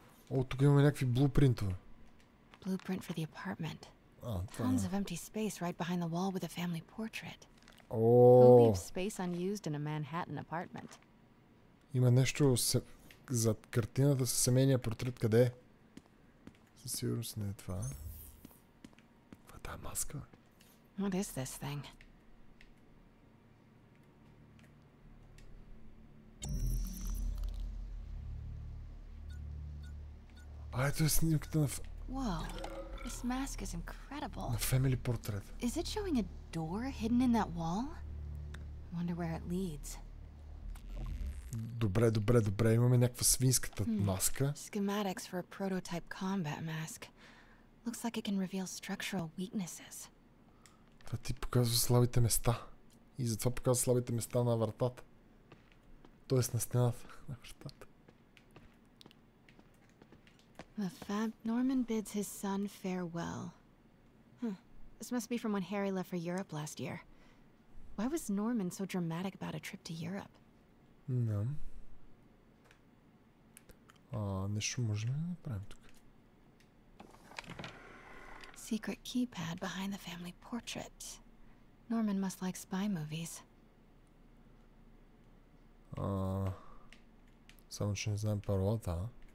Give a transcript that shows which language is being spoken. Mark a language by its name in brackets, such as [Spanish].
[Bulgarian] О, тук имаме някакви блупринтове. [English] Blueprint for the apartment. [Bulgarian] А, [English] tons of empty space right behind the wall with a family portrait. [Bulgarian] О. [English] Leave space unused in a Manhattan apartment. [Bulgarian] Има нещо зад картината със семейния портрет. Къде? Със сигурност не е това. [English] That mask. What is this thing? [Bulgarian] А, ето е снимката на... [English] Whoa, this mask is incredible. [Bulgarian] На family portrait. [English] Is it showing a door hidden in that wall? I wonder where it leads. [Bulgarian] Добре, добре, добре. Имаме някаква свинската маска. [English] Schematics for a prototype combat mask. Looks like it can reveal structural weaknesses. [Bulgarian] Това ти показва слабите места. И затова показва слабите места на вратата. Тоест на стената на вратата. [English] The fab Norman bids his son farewell. This must be from when Harry left for Europe last year. Why was Norman so dramatic about a trip to Europe? No. [Bulgarian] Нещо можем ли да направим тук? [English] Secret keypad behind the family portrait. Norman must like spy movies. [Bulgarian] Само че не знаем паролата.